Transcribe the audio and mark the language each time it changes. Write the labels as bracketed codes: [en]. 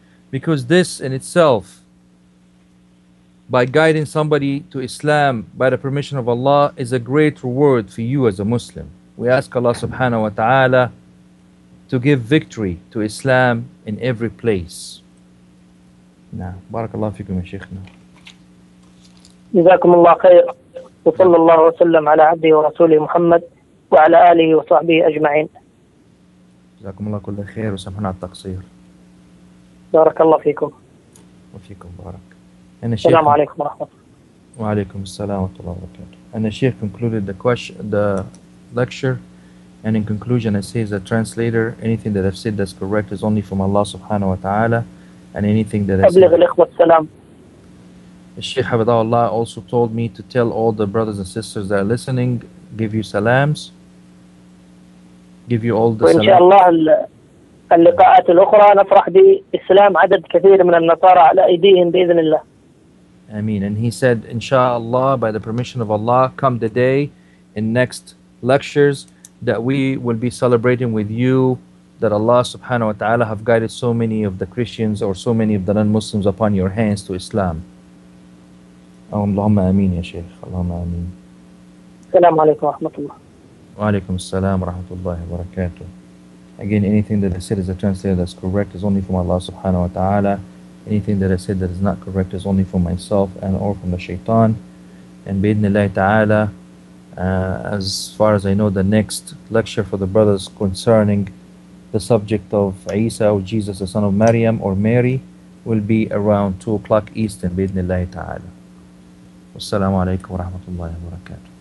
[en] Because this in itself, by guiding somebody to Islam by the permission of Allah, is a great reward for you as a Muslim. We ask Allah subhanahu wa ta'ala to give victory to Islam in every place. Now, [ar] barakallahu fikum ya shaykhna. جزاكم الله خير وصلى الله وسلم على عبده ورسوله محمد وعلى آله وصحبه أجمعين جزاكم الله كل خير وسمحنا على التقصير بارك الله فيكم وفيكم بارك أنا شيخ السلام عليكم ورحمة وعليكم السلام ورحمة الله وبركاته أنا شيخ [en] concluded the question, the lecture, and in conclusion I say as a translator, anything that I've said that's correct is only from Allah subhanahu wa ta'ala, and anything that I said [ar] أبلغ الإخوة السلام. [en] Sheikh Hafidhahullah also told me to tell all the brothers and sisters that are listening, give you salams, give you all the salams. Inshallah, the [ar] اللقاءات الأخرى نفرح بإسلام عدد كثير من النصارى على أيديهم بإذن الله. Amin. [en] And he said, Inshallah, by the permission of Allah, come the day in next lectures that we will be celebrating with you, that Allah subhanahu wa ta'ala have guided so many of the Christians or so many of the non-Muslims upon your hands to Islam. [ar] اللهم آمين يا شيخ اللهم آمين السلام عليكم ورحمة الله وعليكم السلام ورحمة الله وبركاته. [en] Again, anything that I said is a translator that's correct is only from Allah subhanahu wa ta'ala. Anything that I said that is not correct is only from myself and or from the shaitan. And [ar] بإذن الله تعالى, [en] as far as I know, the next lecture for the brothers concerning the subject of Isa or Jesus the son of Maryam or Mary will be around 2 o'clock Eastern بإذن الله تعالى. [ar] والسلام عليكم ورحمة الله وبركاته.